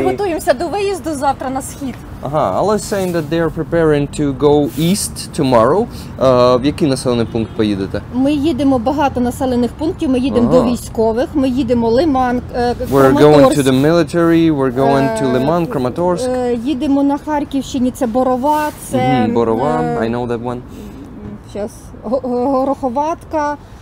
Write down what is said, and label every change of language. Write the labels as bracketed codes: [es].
[uk] Ми готуємося до виїзду завтра на схід. Ага, [en] Alla is saying that they are preparing to go east tomorrow. [uk] В який населений пункт поїдете? Ми їдемо багато населених пунктів. Ми їдемо до військових. Ми їдемо Лиман, Краматорськ. [en] We're going to the military. We're going to Лиман, Краматорськ. [uk] Їдемо на Харківщині. Це Борова. Це [en] Борова. I know that one. [uk] Зараз Гороховатка.